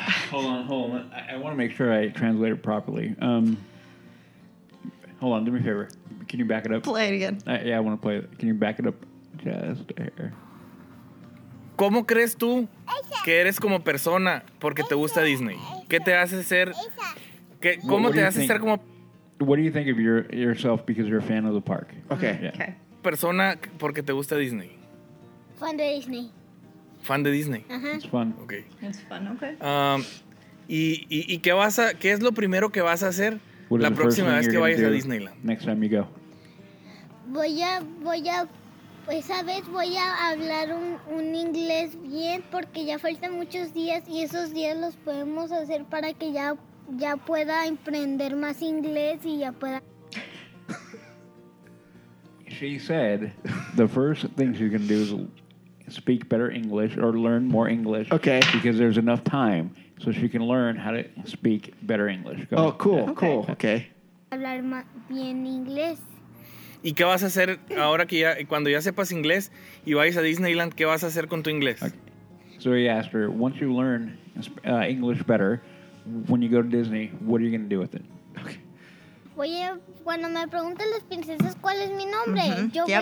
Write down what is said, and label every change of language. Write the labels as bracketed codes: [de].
[en] Hold on. I want to make sure I translate it properly. Hold on, do me a favor. Can you back it up? Play it again. I want to play it. Can you back it up just here? [es] ¿Cómo crees tú que eres como persona porque te gusta Disney? ¿Qué te hace ser? ¿Cómo te hace ser como? [en] What do you think of yourself because you're a fan of the park? Okay. Yeah. Okay. [es] Persona porque te gusta Disney. Fun de Disney. Fan de Disney. Uh-huh. [en] It's fun. Okay. It's fun, okay. [es] ¿Y qué vas a, qué es lo primero que vas a hacer la próxima vez que vayas a Disneyland? [en] Next time you go. [es] Voy a, esa vez voy a hablar un inglés bien porque ya faltan muchos días y esos días los podemos hacer para que ya pueda aprender más inglés y ya pueda. [en] She said the first thing she's going to do is speak better English or learn more English. Okay. Because there's enough time so she can learn how to speak better English. Go. Oh, cool, yeah. Cool. Okay. [es] Hablar bien inglés. ¿Y qué vas a hacer ahora que ya, cuando ya sepas inglés y vayas a Disneyland, qué vas a hacer con tu inglés? [en] Okay. So he asked her, once you learn English better, when you go to Disney, what are you going to do with it? Okay. [es] Oye, cuando me preguntan las princesas cuál es mi nombre, mm-hmm.